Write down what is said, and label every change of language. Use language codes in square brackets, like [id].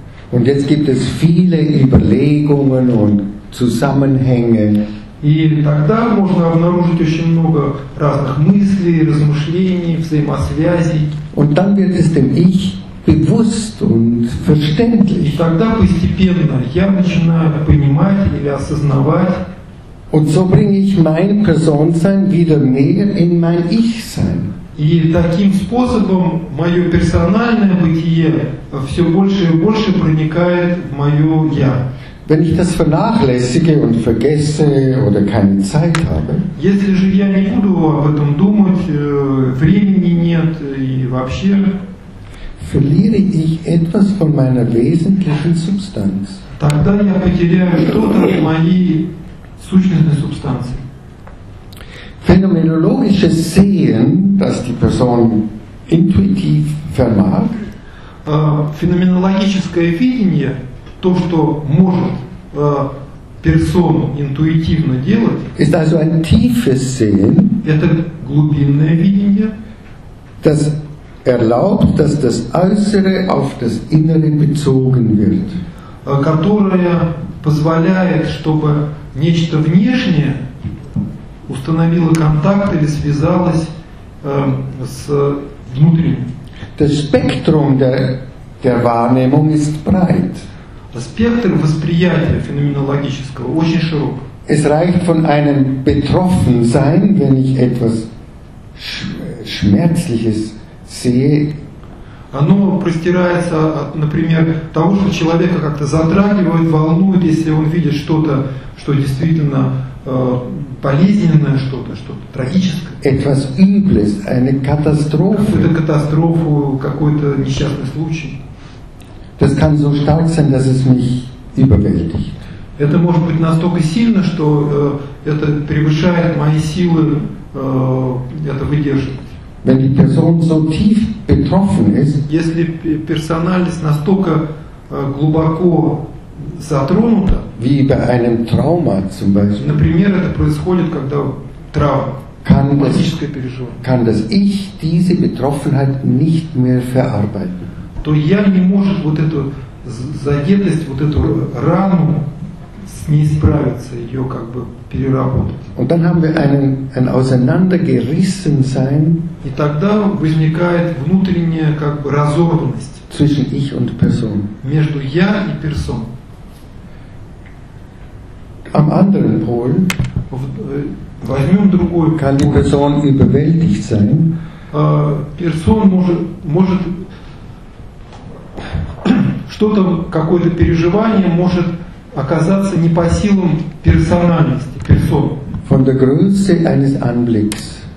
[de] Und jetzt gibt es viele Überlegungen und Zusammenhänge. [ru] И тогда можно обнаружить очень много разных мыслей, размышлений, взаимосвязей. [de] Und dann wird es dem Ich bewusst und verständlich. [ru] И тогда постепенно я начинаю понимать или осознавать. [de] Und so bringe ich mein Personsein wieder mehr in mein Ich-Sein. [ru] И таким способом мое персональное бытие все больше и больше проникает в мое «я». [de] Wenn ich das vernachlässige und vergesse oder keine Zeit habe, [ru] если же я не буду об этом думать, времени нет и вообще, [de] verliere ich etwas von meiner wesentlichen Substanz. [ru] Тогда я потеряю что-то в моей сущностной субстанции. [de] Phänomenologisches Sehen, das die Person intuitiv vermag, phänomenologisches Sehen, [ru] то, что может персону интуитивно делать, [de] ist also ein tiefes Sehen, [ru] это глубинное видение, [de] das erlaubt, dass das Äußere auf das Innere bezogen wird. [ru] Которое позволяет, чтобы нечто внешнее установило контакт или связалось с внутренним. [de] Das Spektrum der Wahrnehmung ist breit. [ru] Спектр восприятия феноменологического очень широк. [de] Es reicht von einem Betroffensein, wenn ich etwas Schmerzliches sehe. [ru] Оно простирается от, например, того, что человека как-то затрагивает, волнует, если он видит что-то, что действительно болезненное, что-то трагическое. [de] Etwas Übles, eine Katastrophe. [ru] Какую-то катастрофу, какой-то несчастный случай. [de] Das kann so stark sein, dass es mich überwältigt. [ru] Это может быть настолько сильно, что это превышает мои силы это выдерживать. [de] Wenn die Person so tief betroffen ist, [ru] если персональность настолько глубоко затронута, [de] wie bei einem Trauma zum Beispiel, [ru] например, это происходит, когда травма, физическое переживание, [de] kann das Ich diese Betroffenheit nicht mehr verarbeiten. [ru] То я не может вот эту задетость, вот эту рану с ней справиться, ее как бы переработать. [de] Und dann haben wir ein auseinandergerissen sein. [ru] И тогда возникает внутренняя как бы разорванность [de] zwischen ich und Person. [ru] Между я и персон. [de] Am anderen Pol [ru] возьмем другой. [de] Kann die Person überwältigt sein. [ru] Персон может что-то, какое-то переживание может оказаться не по силам персональности, персон. [de] Von der Größe eines Anblicks.